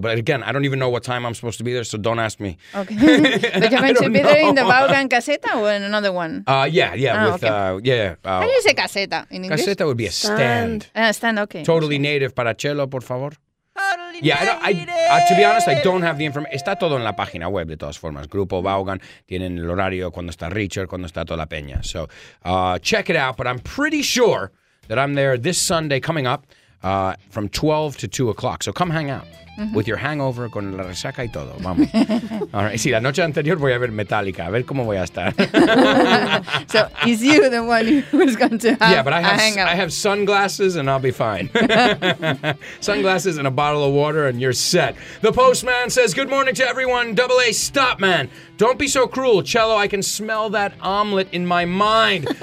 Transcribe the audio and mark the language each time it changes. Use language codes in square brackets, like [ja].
[en] But again, I don't even know what time I'm supposed to be there, so don't ask me. Okay. But you're going to be there in the Vaughan caseta or in another one? How do you say caseta in English? Caseta would be a stand. Stand, okay. Totally okay. [es] Native para Cello, por favor. [en] Totally native. To be honest, I don't have the information. [es] Está todo en la página web, de todas formas. Grupo Vaughan, tienen el horario cuando está Richard, cuando está toda la peña. [en] So check it out, but I'm pretty sure that I'm there this Sunday coming up from 12 to 2 o'clock. So come hang out. Mm-hmm. With your hangover, [es] con la resaca y todo. Vamos. [en] All right. [es] Sí, la noche anterior voy a ver Metallica. A ver cómo voy a estar. [en] So, is you the one who's going to have a hangover? Yeah, but I have sunglasses and I'll be fine. Sunglasses and a bottle of water and you're set. The postman says, good morning to everyone. AA, stop, man. Don't be so cruel. Cello, I can smell that omelet in my mind.